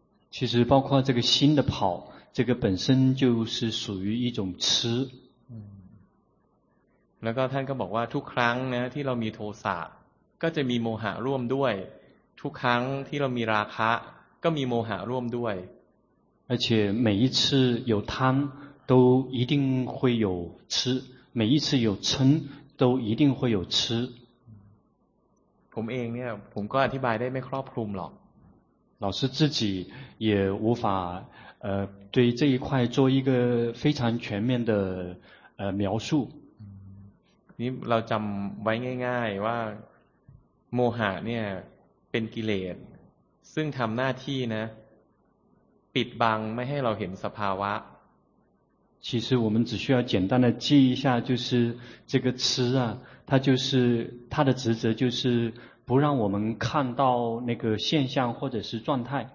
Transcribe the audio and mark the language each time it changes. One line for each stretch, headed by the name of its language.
Chinese: 其实包括这个心的跑这个本身就是属于一种痴
Thai: แล้วก็ท่านก็บอกว่าทุกครั้งนะที่เรามีโทสะก็จะมีโมหะร่วมด้วยทุกครั้งที่เรามีราคะก็มีโมหะร่วมด้วย
Chinese: 而且每一次有贪都一定会有吃每一次有撑都一定会有吃
Thai: ผมเองเนี่ยผมก็อธิบายได้ไม่ครอบคลุมหรอก
Chinese: 老师自己也无法对这一块做一个非常全面的描述
Thai: นี่เราจําไว้ง่ายๆว่าโมหะเนี่ยเป็นกิเลสซึ่งทําหน้าที่นะปิดบังไม่ให้เราเห็นสภาวะ
Chinese: 其实我们只需要简单的记一下，就是这个痴啊，它就是它的职责就是不让我们看到那个现象或者是状态。